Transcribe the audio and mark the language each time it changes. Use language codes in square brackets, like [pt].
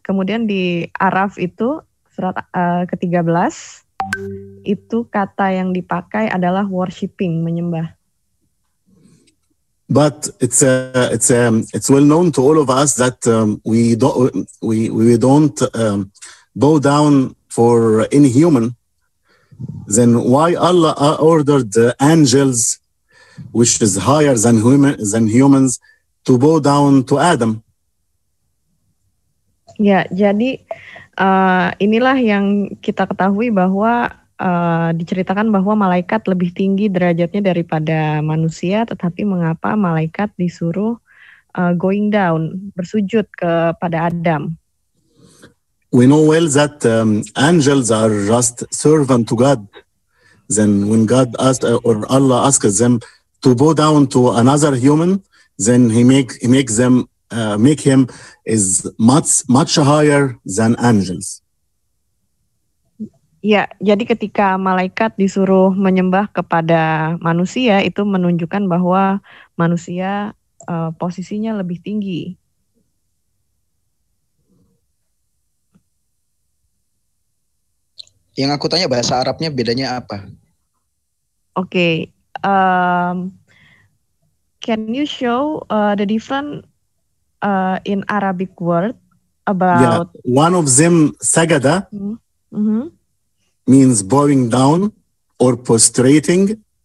[id] Kemudian di Araf itu surat ke-13 itu kata yang dipakai adalah worshiping, menyembah. [en] But it's well known to all of us that we don't bow down for any human. Then why Allah ordered the angels, which is higher than humans, to bow down to Adam? [id] Ya, jadi inilah yang kita ketahui bahwa diceritakan bahwa malaikat lebih tinggi derajatnya daripada manusia, tetapi mengapa malaikat disuruh [en] going down, [id] bersujud kepada Adam? [en] We know well that angels are just servant to God. Then when God asked or Allah asked them to bow down to another human, then he makes him is much higher than angels. [id] Ya, jadi ketika malaikat disuruh menyembah kepada manusia, itu menunjukkan bahwa manusia posisinya lebih tinggi. Yang aku tanya bahasa Arabnya bedanya apa? Oke. [en] Okay, can you show the different in Arabic word about? Yeah, one of them, sagada, means bowing down or prostrating.